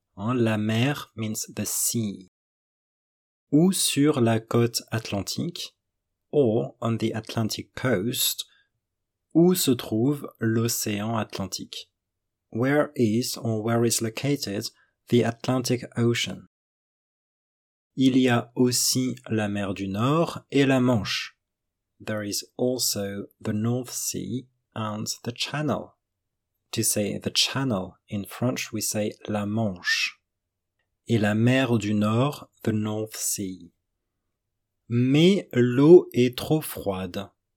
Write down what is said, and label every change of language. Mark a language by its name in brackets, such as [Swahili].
[French] Hein? La mer [English] means the sea. [French] Ou sur la côte atlantique, [English] or on the Atlantic coast, [French] où se trouve l'océan Atlantique. [English] Where is or where is located the Atlantic Ocean? [French] Il y a aussi la mer du Nord et la Manche. [English] There is also the North Sea and the Channel. To say the Channel, in French we say [French] la Manche. et la mer du Nord, [English] the North Sea. [French] Mais l'eau est trop froide.